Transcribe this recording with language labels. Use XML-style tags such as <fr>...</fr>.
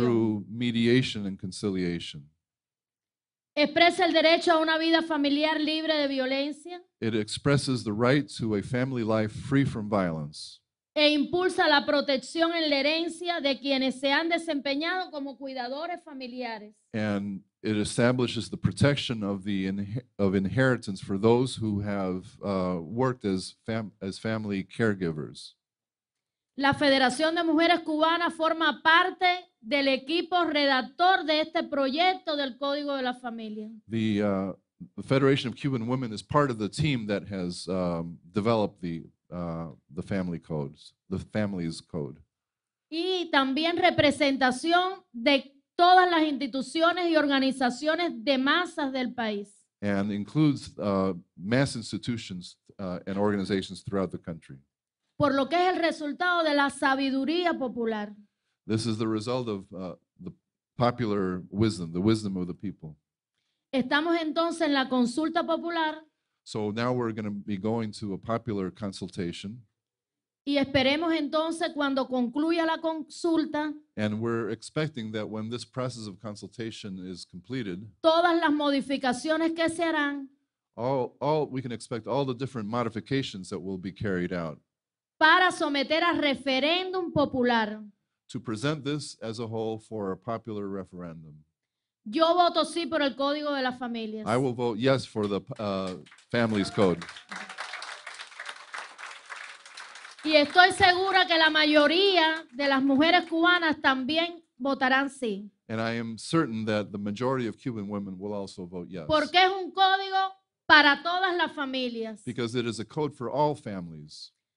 <en>Through mediation and conciliation.</en> <es>Expresa el derecho a una vida familiar libre de violencia.</es> <en>It expresses the right to a family life free from violence.</en> <es>E impulsa la protección en la herencia de quienes se han desempeñado como cuidadores familiares.</es> <en>And it establishes the protection of the inheritance for those who have worked as family caregivers.</en> <es>La Federación de Mujeres Cubanas forma parte del equipo redactor de este proyecto del Código de la Familia.</es> <en>The Federation of Cuban Women is part of the team that has developed the family codes, the family's code.</en> <es>Y también representación de todas las instituciones y organizaciones de masas del país.</es> <en>And includes mass institutions and organizations throughout the country.</en> <es>por lo que es el resultado de la sabiduría popular.</es> <en>This is the result of the popular wisdom, the wisdom of the people.</en> <es>Estamos entonces en la consulta popular.</es> <en>So now we're going to be going to a popular consultation.</en> <es>Y esperemos entonces cuando concluya la consulta.</es> <en>And we're expecting that when this process of consultation is completed,</en> <es>todas las modificaciones que se harán,</es> <en>all we can expect all the different modifications that will be carried out,</en> <es>para someter a referéndum popular,</es> <en>to present this as a whole for a popular referendum.</en> <es>Yo voto sí por el Código de las Familias.</es> <en>I will vote yes for the Families Code.</en> <es>Y estoy segura que la mayoría de las mujeres cubanas también votarán sí.</es> <en>And I am certain that the majority of Cuban women will also vote yes.</en> <es>Porque es un código para todas las familias.</es> <en>Because it is a code for all families.</en>